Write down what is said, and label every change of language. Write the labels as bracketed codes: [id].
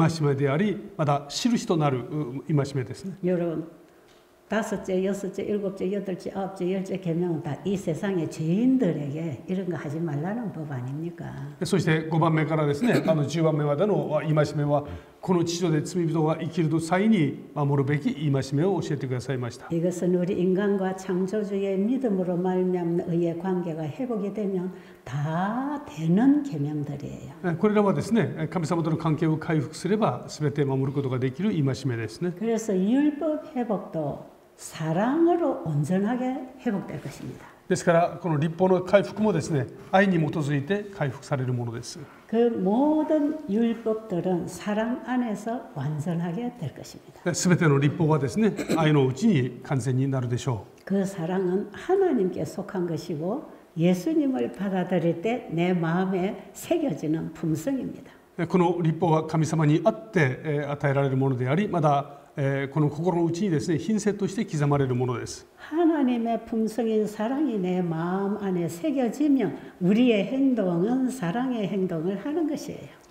[ja] ですから第4の戒めというのはですね、神様の戒めであり、また印となる戒めですね。 [ko] 여러분, 다섯째, 여섯째, 일곱째, 여덟째, 아홉째, 열째 계명은 다 이 세상의 죄인들에게 이런 거 하지 말라는 법 아닙니까? [ja] そして5番目からですね、10番目までの戒めは この地上で罪人が生きる際に守るべき戒めを教えてくださいました。 [ko] 이것은 우리 인간과 창조주의 믿음으로 말미암는 의의 관계가 회복이 되면 다 되는 계명들이에요. [ja] これらはですね、神様との関係を回復すれば全て守ることができる戒めですね。 [ko] 그래서 율법 회복도 사랑으로 온전하게 회복될 것입니다. [ja] ですからこの律法の回復もですね、愛に基づいて回復されるものです。 [ko] 그 모든 율법들은 사랑 안에서 완전하게 될 것입니다. [ja] 全ての 律法가 ですね 愛 のうちに 完成になるでしょう. [ko] 그 사랑은 하나님께 속한 것이고 예수님을 받아들일 때 내 마음에 새겨지는 품성입니다. [ja] この律法が神様にあって与えられるものであり、またこの心のうちにですね品性として刻まれるものです。 [ko] 하나님의 품성인 사랑이 내 마음 안에 새겨지면 우리의 행동은 사랑의 행동을 하는 것이에요.